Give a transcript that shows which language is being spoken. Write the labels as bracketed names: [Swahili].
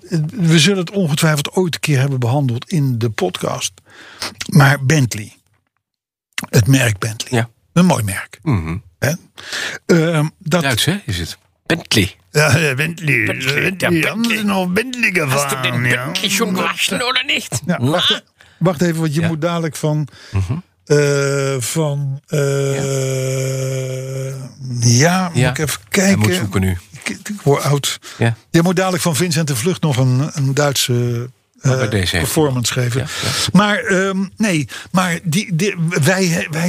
[Dutch] We zullen het ongetwijfeld ooit een keer hebben behandeld in de podcast. Maar Bentley. Het merk Bentley. Ja. Een mooi merk. Mm-hmm. Duits, hè, is het. Bentley. Ja, Bentley. Bentley. Ja, Bentley. Hebben ze nog Bentley gevaren? [German] Hast du den Bentley schon gewaschen, oder nicht? [Dutch] Ja, wacht even, want je moet dadelijk van... Moet ik even kijken. Hij moet zoeken nu. Ik, ik word oud. Ja. Je moet dadelijk van Vincent de Vlucht nog een Duitse performance geven. Ja, ja.